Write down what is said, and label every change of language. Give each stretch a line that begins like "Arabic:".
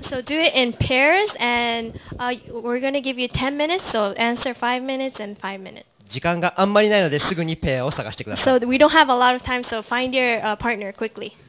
English: So do it in pairs and we're going to give you 10 minutes, so answer 5 minutes and 5 minutes.
Japanese: 時間があんまりないのですぐにペアを探してください。
English: So we don't have a lot of time, so find your partner quickly.